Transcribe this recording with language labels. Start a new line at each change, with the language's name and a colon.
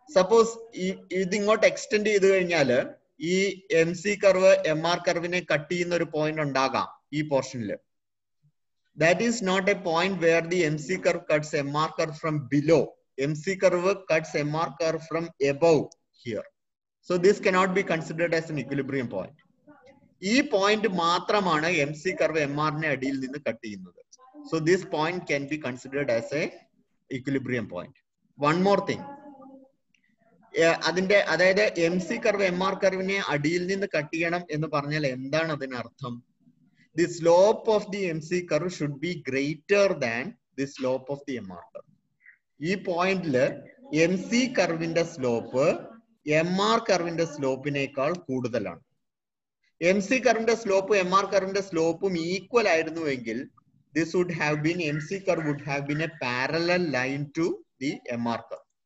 Malayalam: Suppose ഇത് ഇങ്ങോട്ട് extend ചെയ്ത് കഴിഞ്ഞാല് ഈ M C curve M R കർവിനെ cut ചെയ്യുന്ന ഒരു പോയിന്റ് ഉണ്ടാകാം ഈ പോർഷനില്.
English: That is not a point where the MC curve cuts MR curve from below. MC curve cuts MR curve from above here. So this cannot be considered as an equilibrium point.
Malayalam: E point മാത്രമാണ് MC curve MR നെ അടിയിൽ നിന്ന് cut ചെയ്യുന്നത്.
English: So this point can be considered as a equilibrium point. One more thing.
Malayalam: അതിന്റെ അതായത് MC curve MR curve നെ അടിയിൽ നിന്ന് കട്ട് ചെയ്യണം എന്ന് പറഞ്ഞാൽ എന്താണ് അതിനർത്ഥം?
English: The slope of the MC curve should be greater than the slope of the MR curve.
Malayalam: ഈ പോയിന്റിൽ എം സി കർവിന്റെ സ്ലോപ്പ് എം ആർ കർവിന്റെ സ്ലോപ്പിനേക്കാൾ കൂടുതലാണ്. എം സി കർവിന്റെ സ്ലോപ്പ് എം ആർ കർവിന്റെ സ്ലോപ്പും equal ആയിരുന്നുവെങ്കിൽ
English: This would have been M C curve would have been a parallel line to the M R curve.